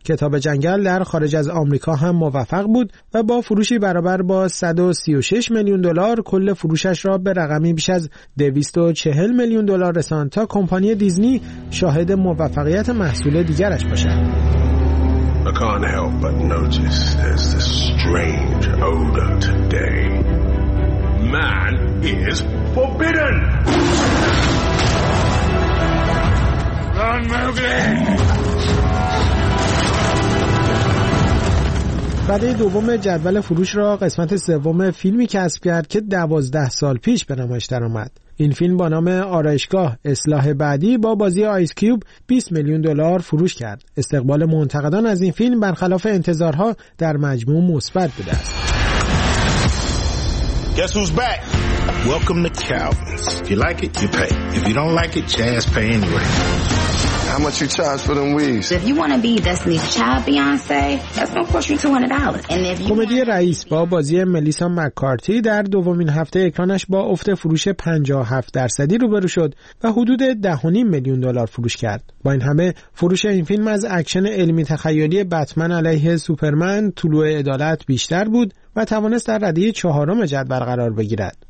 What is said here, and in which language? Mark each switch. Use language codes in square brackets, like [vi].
[fa] کتاب جنگل در خارج از آمریکا هم موفق بود و با فروشی برابر با 136 میلیون دلار کل فروشش را به رقمی بیش از 240 میلیون دلار رساند تا کمپانی دیزنی شاهد موفقیت محصول دیگرش باشد. [en] I can't help but notice there's this strange odor today. Man is forbidden! Run, Mowgli! [fa] بعده دوم جدول فروش را قسمت سوم فیلمی کسب کرد که 12 سال پیش به نمایش درآمد. این فیلم با نام آرایشگاه اصلاح بعدی با بازی آیس کیوب 20 میلیون دلار فروش کرد. استقبال منتقدان از این فیلم برخلاف انتظارها در مجموع مثبت بوده است. [en] Guess who's back? Welcome to Calvin's. If you like it, you pay. If you don't like it, Jazz pay anyway. How much you charge for them weaves? If you want to be Destiny's Child Beyonce, that's gonna cost you $200. And if you [fa] کمدی رئیس با بازی ملیسا مک‌کارتی در دومین هفته اکرانش با افت فروش 57% روبرو شد و حدود 10.5 میلیون دلار فروش کرد. با این همه فروش این فیلم از اکشن علمی تخیلی بتمن علیه سوپرمن طلوع عدالت بیشتر بود و توانست در رده 4 جدول قرار بگیرد.